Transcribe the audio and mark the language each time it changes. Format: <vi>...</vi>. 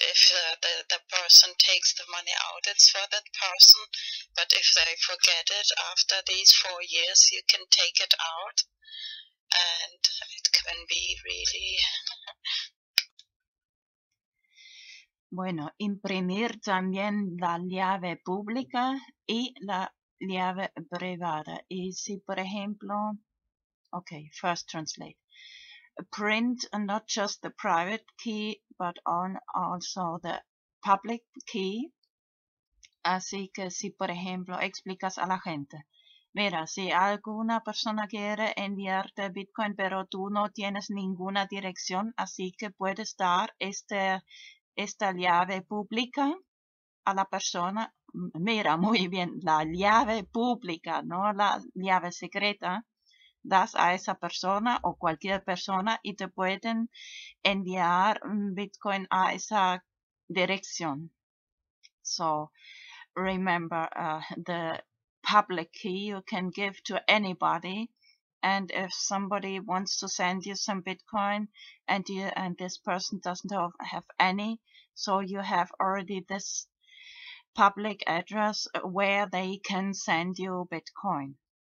<en>If the person takes the money out, it's for that person. But if they forget it after these 4 years, you can take it out, and it can be really.</en> <es>Bueno, imprimir también la llave pública y la llave privada. Y si, por ejemplo,</es> <en>okay, first translate. Print not just the private key, but also the public key.</en> <es>Así que si, por ejemplo, explicas a la gente. Mira, si alguna persona quiere enviarte Bitcoin, pero tú no tienes ninguna dirección, así que puedes dar esta llave pública a la persona. Mira, muy bien, la llave pública, no la llave secreta. das a esa persona o cualquier persona y te pueden enviar Bitcoin a esa dirección.</es> <en>So, remember the public key you can give to anybody. And if somebody wants to send you some Bitcoin and this person doesn't have any, so you have already this public address where they can send you Bitcoin.</en>